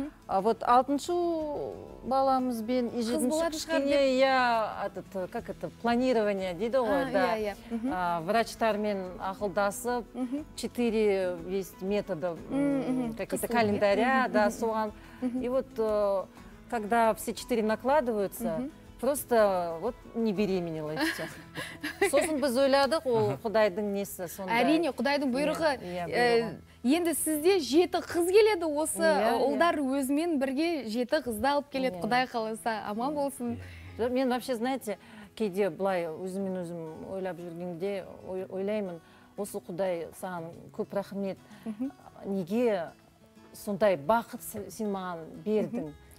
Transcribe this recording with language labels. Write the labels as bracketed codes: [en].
[kk] Алтыншы баламыз бен жетінші кішкене, планирование дейді ғой, да. Врачтармен ақылдасып, 4-5 [ru] методы, какие-то календаря, [kk] да, соған. [ru] И когда все 4 накладываются, просто не беременела сейчас. [kk] Сосын біз ойладық, ол құдайдың несі сонда. Әрине, құдайдың бұйрығы. Енді сізде 7 қыз келеді осы, олдар өзімен бірге 7 қызды алып келеді, құдай қаласа, аман болсын. Мен [ru] вообще, знаете, [kk] кейде бұлай өзімен өзім ойлап жүргенде ойлаймын, осы құдай саған көп рахмет, неге сондай бақыт сен маған бердің.